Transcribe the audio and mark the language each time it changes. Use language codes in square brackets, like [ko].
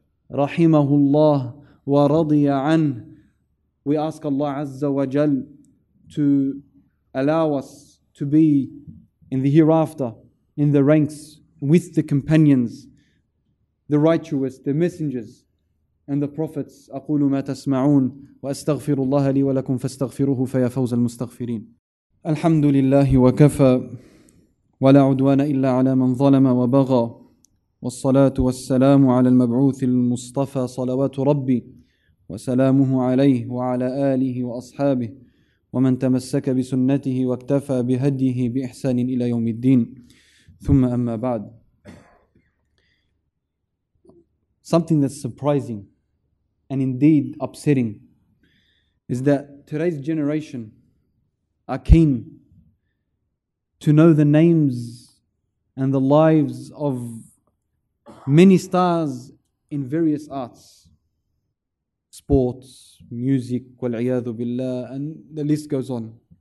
[ar] Rahimahullah wa radiya an. [en] We ask Allah Azza wa Jal to allow us to be in the hereafter in the ranks with the companions, the righteous, the messengers, and the prophets. [ar] أقول ما تسمعون وأستغفر الله لي ولكم فاستغفروه فيا فوز المستغفرين. الحمد لله وكفى ولا عدوان إلا على من ظلم وبغى والصلاة والسلام على المبعوث المصطفى صلوات ربي وسلامه عليه وعلى آله وأصحابه ومن تمسك بسنته واكتفى بهديه بإحسان إلى يوم الدين ثم أما بعد. [en] Something that's surprising and indeed upsetting is that today's generation are keen to know the names and the lives of many stars in various arts, sports, music, wal'iyadu billah, and the list goes on.